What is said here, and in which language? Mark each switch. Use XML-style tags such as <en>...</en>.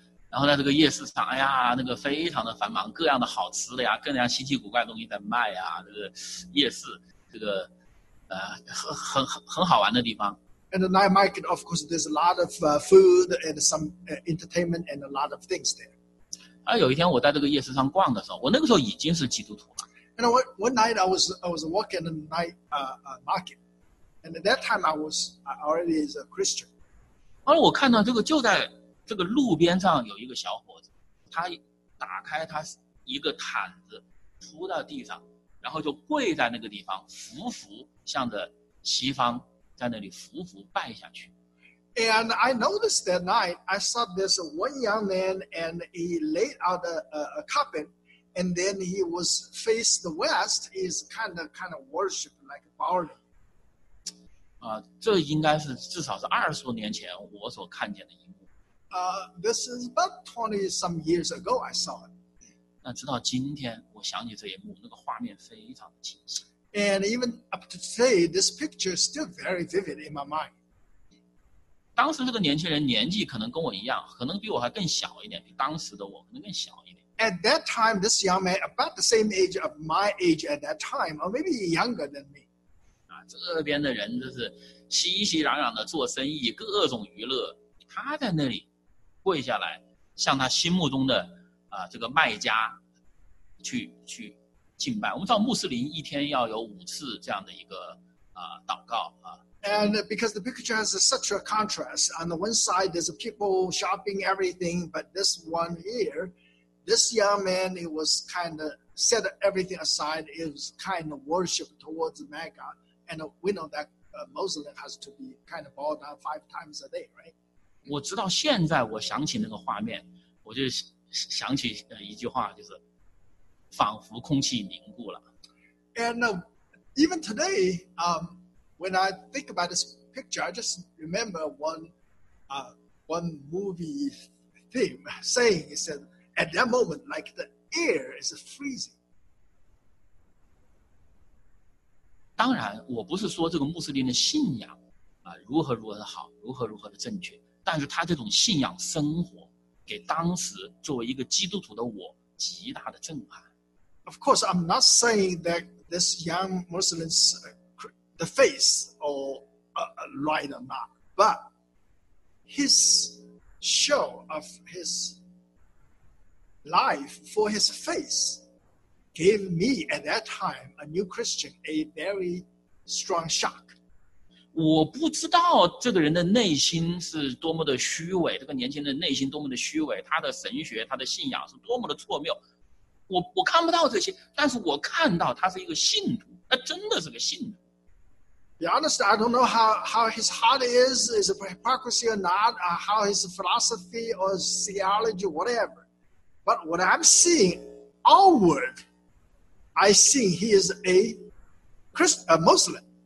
<zh>然后在这个夜市上，哎呀，那个非常的繁忙，各样的好吃的呀，各样稀奇古怪的东西在卖呀，这个夜市，这个很好玩的地方。</zh> <en>And the night market, of course, there's a lot of food and some entertainment and a lot of things there.</en> <zh>而有一天我在这个夜市上逛的时候，我那个时候已经是基督徒了。</zh> <en>And one night I was walking in the night market, and at that time I already is a Christian.</en> <zh>然后我看到这个就在这个路边上有一个小伙子，他打开他一个毯子铺到地上，然后就跪在那个地方，匍匐向着西方。在那里匍匐拜下去。</zh> <en>And I noticed that night, I saw this one young man, and he laid out a carpet, and then he was faced the west, is kind of worship like bowing.</en> <zh>这应该是至少是二十多年前我所看见的一幕。</zh> <en>This is about 20 some years ago I saw it.</en> <zh>那直到今天，我想起这一幕，那个画面非常的清晰。</zh> <en>And even up to today, this picture is still very vivid in my mind.</en> <zh>当时这个年轻人年纪可能跟我一样，可能比我还更小一点，比当时的我可能更小一点。</zh> <en>At that time, this young man, about the same age of my age at that time, or maybe younger than me.</en> <zh>这边的人就是熙熙攘攘的做生意，各种娱乐。他在那里跪下来，向他心目中的这个卖家去。敬拜，我们知道穆斯林一天要有五次这样的一个祷告啊。</zh> <en>And because the picture has such a contrast, on the one side there's people shopping everything, but this one here, this young man, he was kind of set everything aside, he was kind of worship towards Mecca, and we know that Muslim has to be kind of bowed down five times a day, right?</en> <zh>我直到现在我想起那个画面，我就想起一句话，就是。仿佛空气凝固了。</zh> <en>And even today, when I think about this picture, I just remember one movie theme saying, it said, at that moment, like the air is freezing.</en> <zh>当然，我不是说这个穆斯林的信仰如何如何的好，如何如何的正确，但是他这种信仰生活给当时作为一个基督徒的我极大的震撼。</zh> <en>Of course, I'm not saying that this young Muslim's the faith or right or not, but his show of his life for his faith gave me at that time, a new Christian, a very strong shock.</en> <zh>我不知道这个人的内心是多么的虚伪，这个年轻人的内心多么的虚伪，他的神学，他的信仰是多么的错谬。我看不到这些，但是我看到他是一个信徒，他真的是个信徒。</zh> <en>Be honest, I don't know how his heart is it hypocrisy or not, how his philosophy or theology, whatever. But what I'm seeing outward, I see he is a Muslim.</en>